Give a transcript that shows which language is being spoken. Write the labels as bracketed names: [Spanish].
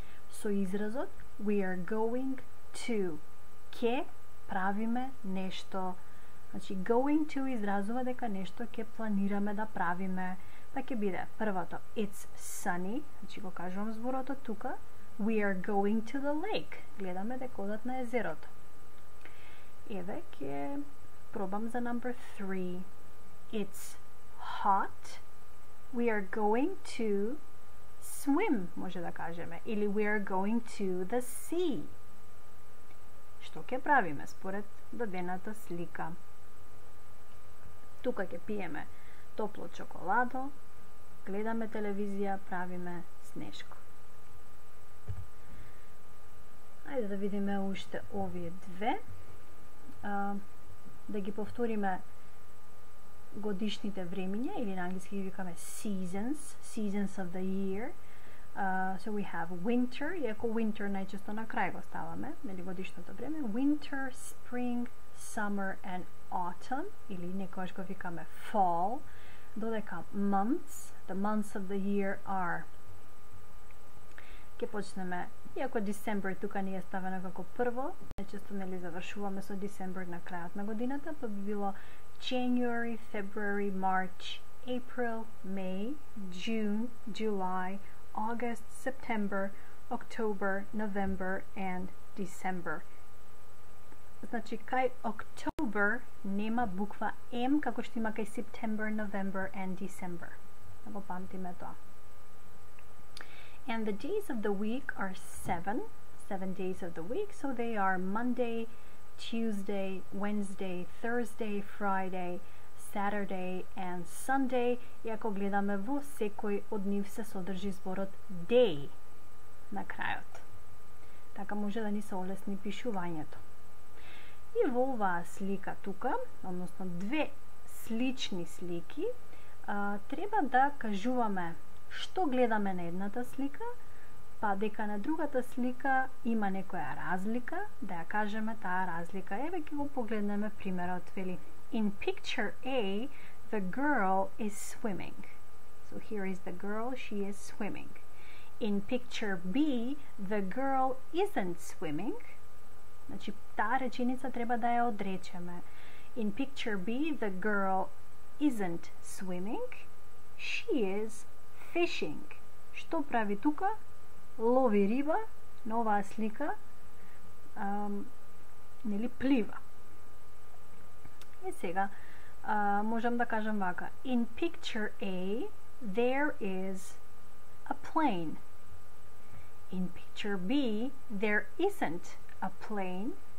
[Macedonian] Со изразот [English] we are going to, [Macedonian] ке правиме нешто. Значи, going to изразува дека нешто ќе планираме да правиме. Па ќе биде првото, [English] it's sunny, [Macedonian] значи го кажувам зборото тука. [English] We are going to the lake, [Macedonian] гледаме дека одат на езерото. Еве, ќе пробам за number 3. [English] It's hot, we are going to swim, [Macedonian] може да кажеме. [English] Или we are going to the sea. [Macedonian] Што ќе правиме според дадената слика? Тука ќе пиеме топло чоколадо, гледаме телевизија, правиме снешко. Ајде да видиме уште овие две. Да ги повториме годишните времиња, или на англиски ги викаме seasons, [English] seasons of the year. So we have winter, [Macedonian] иако winter најчесто на крај го ставаме, нели, годишното време. [English] Winter, spring, summer and autumn, [Macedonian] или некојаш го викаме [English] fall. Додека months, the months of the year are. [Macedonian] Ке почнеме, иако December тука ни е ставено како прво, најчесто, нели, завршуваме со December на крајот на годината, па би било [English] January, February, March, April, May, June, July, August, September, October, November and December. [Macedonian] Значи, кај October нема буква M како што има кај [English] September, November and December. [Macedonian] Да го памтиме тоа. [English] And the days of the week are 7, 7 days of the week, so they are Monday, Tuesday, Wednesday, Thursday, Friday, Saturday and Sunday. [Macedonian] И ако гледаме во секој од нив се содржи зборот day на крајот. Така може да ни се олесни пишувањето. И во оваа слика тука, односно две слични слики, треба да кажуваме што гледаме на едната слика, па дека на другата слика има некоја разлика, да ја кажеме таа разлика. Еве ќе го погледнеме примерот, вели. [English] In picture A, the girl is swimming. So here is the girl, she is swimming. In picture B, the girl isn't swimming. [Macedonian] Значи, таа реченица треба да ја одречеме. [English] In picture B, the girl isn't swimming. She is fishing. [Macedonian] Што прави тука? Лови риба, нова слика, нели плива. И сега, можам да кажам вака. [English] In picture A, there is a plane. In picture B, there isn't a plane.